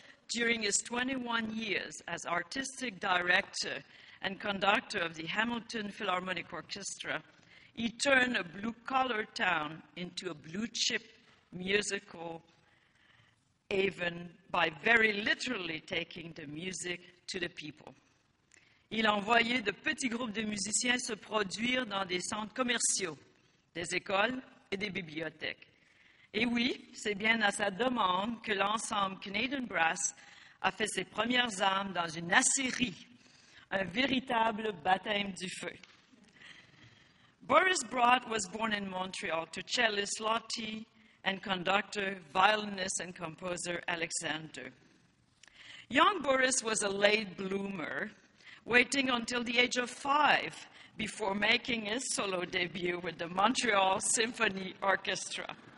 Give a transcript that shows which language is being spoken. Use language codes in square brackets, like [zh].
[en] During his 21 years as artistic director and conductor of the Hamilton Philharmonic Orchestra, he turned a blue-collar town into a blue-chip musical haven by very literally taking the music to the people. [fr] Il envoyait de petits groupes de musiciens se produire dans des centres commerciaux, des écoles et des bibliothèques. Et oui, c'est bien à sa demande que l'ensemble Canadian Brass a fait ses premières armes dans une acérie, un véritable baptême du feu. [en] Boris Brat was born in Montreal to cellist Lottie and conductor, violinist, and composer Alexander. Young Boris was a late bloomer, waiting until the age of 5 before making his solo debut with the Montreal Symphony Orchestra.